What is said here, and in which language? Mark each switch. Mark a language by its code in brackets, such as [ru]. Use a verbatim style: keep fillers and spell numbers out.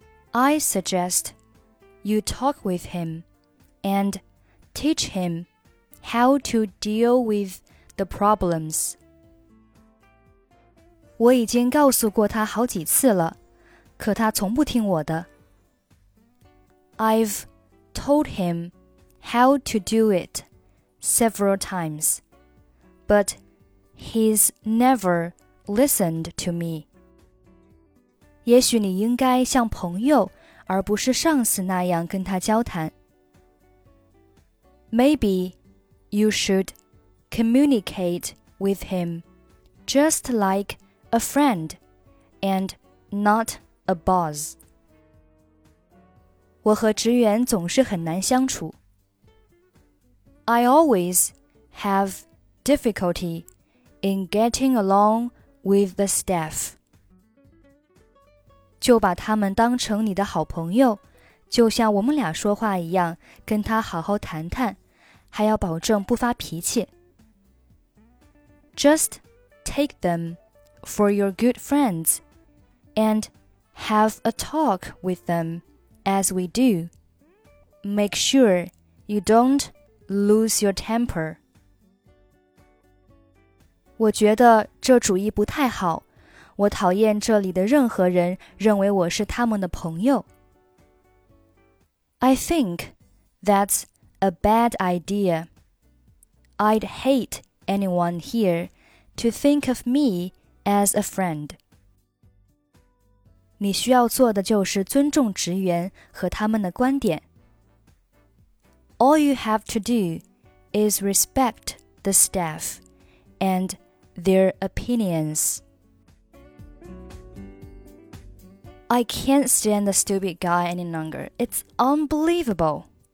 [en] I suggest you talk with him and teach him how to deal with the problems. [zh] 我已经告诉过他好几次了，可他从不听我的。 [en] I've told him how to do it several times, but he's never listened to me. [zh] 也许你应该像朋友而不是上司那样跟他交谈。 [en] Maybe you should communicate with him just like a friend and not a boss. [zh] 我和职员总是很难相处。 [en] I always have difficulty in getting along with the staff. [zh] 就把他们当成你的好朋友，就像我们俩说话一样，跟他好好谈谈，还要保证不发脾气。 [en] Just take them for your good friends and have a talk with them. As we do, make sure you don't lose your temper. [zh] 我觉得这主意不太好，我讨厌这里的任何人认为我是他们的朋友。 [en] I think that's a bad idea. I'd hate anyone here to think of me as a friend. [zh] 你需要做的就是尊重职员和他们的观点。 [en] All you have to do is respect the staff and their opinions. I can't stand the stupid guy any longer. It's unbelievable.